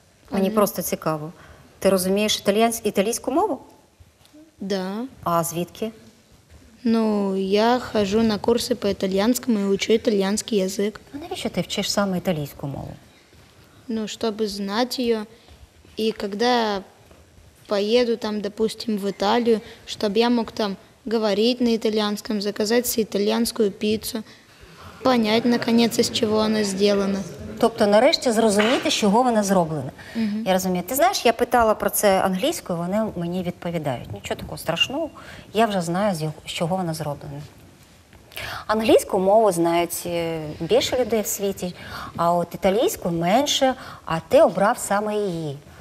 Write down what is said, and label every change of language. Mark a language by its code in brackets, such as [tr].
[uk] Мені просто цікаво. Ти розумієш італійську мову? Да. А звідки? Ну, я хожу на курси по італійському і вчу італійський язик. А навіщо ти вчиш саме італійську мову? Ну, щоб знати її. І коли... [ru] поеду там, допустим, в Италию, чтобы я мог там говорить на итальянском, заказать себе итальянскую пиццу, понять, наконец, из чего она сделана. [uk] Тобто, нарешті, зрозуміти, з чого вона зроблена. Угу. Я розумію. Ти знаєш, я питала про це англійською, вони мені відповідають. Нічого такого страшного, я вже знаю, з чого вона зроблена. Англійську мову знають більше людей в світі, а от італійську менше, а ти обрав саме її.